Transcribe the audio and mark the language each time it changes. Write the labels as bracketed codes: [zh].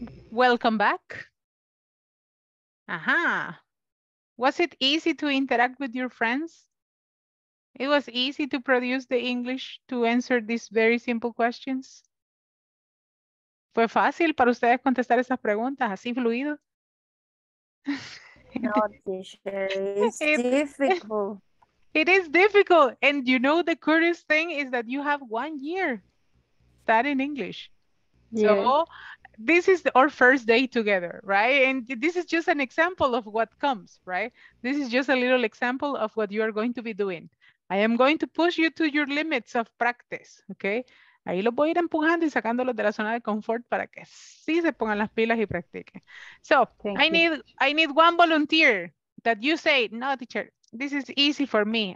[en] Welcome back. Aha. Was it easy to interact with your friends? It was easy to produce the English to answer these very simple questions? [es] ¿Fue fácil para ustedes contestar esas preguntas así fluido? [en] No, teacher, it's difficult. It is difficult. And you know, the curious thing is that you have 1 year studying English. Yeah. So, this is our first day together, right? And this is just an example of what comes, right? This is just a little example of what you are going to be doing. I am going to push you to your limits of practice, okay? [es] Ahí los voy a ir empujando y sacándolos de la zona de confort para que sí se pongan las pilas y practiquen. [en] So, I need one volunteer that you say, no, teacher, this is easy for me.